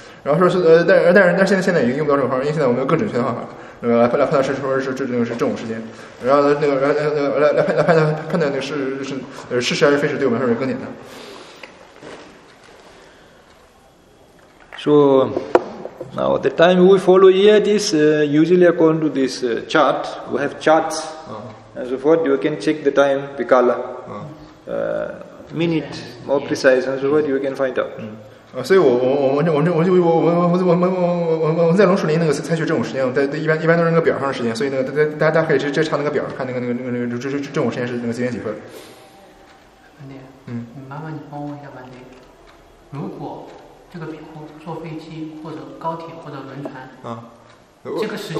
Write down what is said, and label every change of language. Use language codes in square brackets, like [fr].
[zh] 然后说是但是现在已经用不到这种方法，因为现在我们有更准确的方法。来判断是正午时间，然后来判断那个是实还是非实，对我们来说更简单。 [en] So now the time we follow here is usually according to this chart. We have charts and so forth. You can check the time, the color, minute, more precise, and so forth. You can find out. [zh] 所以我在龙树林那个采取正午时间，一般都是那个表上的时间，所以那个大家可以直接查那个表，看那个正午时间是那个几点几分。麻烦你帮我一下吧，如果这个比库坐飞机或者高铁或者轮船，这个时间